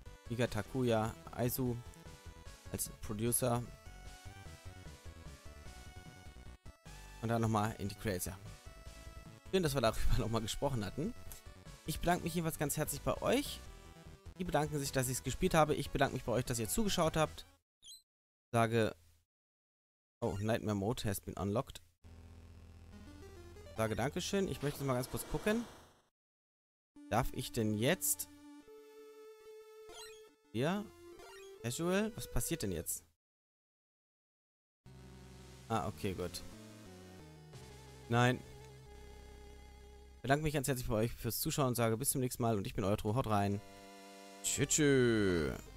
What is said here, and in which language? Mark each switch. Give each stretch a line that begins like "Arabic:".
German: Iga Takuya Aizu als Producer. Und dann nochmal in die Creator. Schön, dass wir darüber nochmal gesprochen hatten. Ich bedanke mich jedenfalls ganz herzlich bei euch. Die bedanken sich, dass ich es gespielt habe. Ich bedanke mich bei euch, dass ihr zugeschaut habt. Sage...
English: Oh, Nightmare Mode has been unlocked.
German: Sage Dankeschön. Ich möchte mal ganz kurz gucken. Darf ich denn jetzt... Hier? Casual? Was passiert denn jetzt? Ah, okay, gut. Nein. Ich bedanke mich ganz herzlich bei euch fürs Zuschauen und sage bis zum nächsten Mal und ich bin euer Tro. Haut rein. Tschüss.